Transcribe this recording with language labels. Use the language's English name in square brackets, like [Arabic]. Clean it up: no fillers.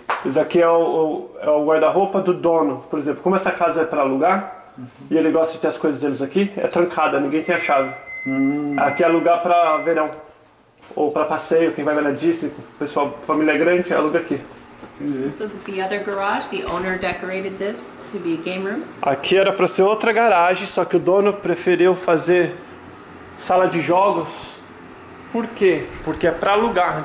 [Portuguese] Isso aqui é o guarda-roupa do dono. Por exemplo, como essa casa é para alugar, uhum, e ele gosta de ter as coisas deles aqui, é trancada, ninguém tem a chave. Aqui é alugar para verão. Ou para passeio, quem vai ver na Disney, pessoal, família grande, aluga aqui. [English] So this is the other garage. The owner decorated this to be a game room. [Portuguese] Aqui era para ser outra garagem, só que o dono preferiu fazer sala de jogos. Por quê? Porque é para alugar.